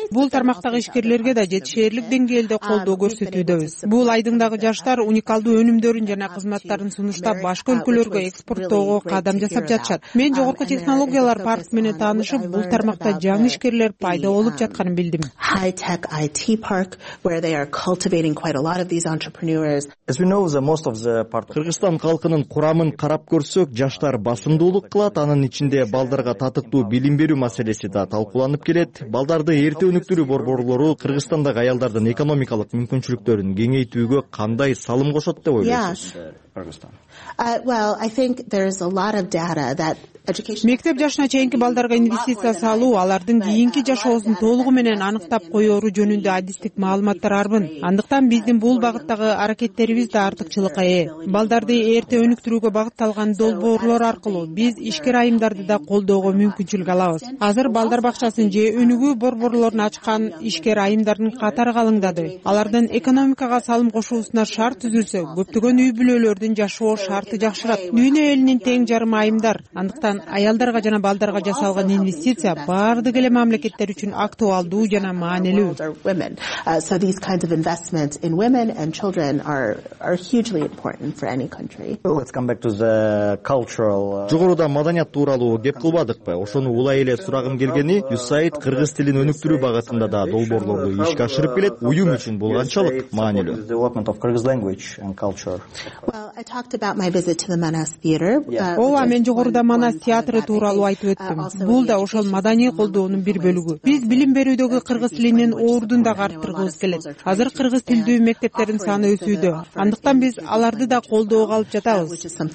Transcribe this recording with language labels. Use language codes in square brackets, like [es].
[ky] Бул тармактагы ишкерлерге да жетишерлик деңгээлде колдоо көрсөтүүдөбүз. Бул айдындагы жаштар уникалдуу өнүмдөрүн жана кызматтарын сунуштап башка өлкөлөргө экспорттоого кадам жасап жатышат. Мен жогорку технологиялар паркы менен таанышып, бул тармакта жаңы ишкерлер пайда болуп жатканын билдим. [en] High-tech IT park where they are cultivating quite a lot of these entrepreneurs. As we know, most of the part [ky] Кыргызстан халкынын курамын карап көрсөк, жаштар басымдуулук кылат, анын ичинде балдарга татыктуу билим берүү маселеси да талкууланып келет. Балдарды эрте өнүктүрүү борборлору Кыргызстандагы аялдардын экономикалык мүмкүнчүлүктөрүн кеңейтүүгө кандай салым кошот деп ойлойсуз? [en] I think there is a lot of data that [ky] Мектеп жашына чейинки балдарга инвестиция салуу алардын кийинки жашоосун толугу менен аныктап коюу жөнүндө адистик маалыматтар арбын. Андыктан биздин бул багыттагы аракеттерибиз да артыкчылыкка ээ. Балдарды эрте өнүктүрүүгө багытталган долбоорлор аркылуу биз ишкер айымдарды да колдоого мүмкүнчүлүк алабыз. Азыр балдар бакчасын же өнүгүү борборлорун ачкан ишкер айымдардын катары калыңдады. Алардын экономикага салым кошуусуна шарт түзүлсө, көптөгөн үй бүлөлөрдүн жашоо шарты жакшырат. Дүйнө элинин тең жарым айымдар. Андыктан аялдарга жана балдарга жасалган инвестиция баардык эле мамлекеттер үчүн актуалдуу жана маанилүү. [en] So these kinds of investments in women and children are hugely important for any country. Let's come back to the cultural [ky] Жогоруда маданият тууралуу кеп кылбадыкпы? Ошону улай эле сурагым келгени, USAID кыргыз тилин өнүктүрүү багытында да долбоорлорду ишке ашырып келет. Уюм үчүн бул канчалык маанилүү? [en] Development of Kyrgyz language and culture. Well, I talked about my visit to the Manas theater. [ky] Ооба, мен жогоруда Манас театры тууралуу айтып өттүм. Бул да ошол маданий колдоонун бир бөлүгү. Биз билим берүүдөгү кыргыз тилинин ордун да арттыргыбыз келет. Азыр кыргыз тилдүү мектептердин саны өсүүдө. Андыктан биз аларды да колдоого алып жатабыз.